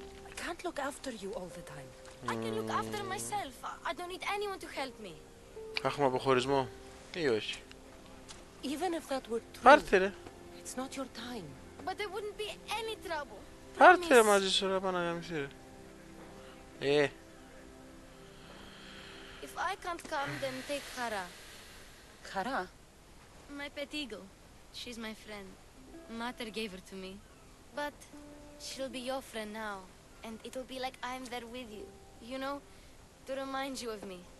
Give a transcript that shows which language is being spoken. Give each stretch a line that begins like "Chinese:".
English: I can't look after you all the time. I can look after myself. I don't need anyone to help me.
Greek: Έχουμε αποχωρισμό ή όχι.
English: Even if that were true.
Greek: Πάρτε ρε.
English: It's not your time. But there wouldn't be any trouble.
Greek: Πάρτε ρε μαζί σου, ρε, πάνε να γαμηθεί ρε.
English: If I can't come, then take Hara. Hara? My pet eagle. She's my friend. Mother gave her to me. But she'll be your friend now. And it'll be like I'm there with you. You know, to remind you of me.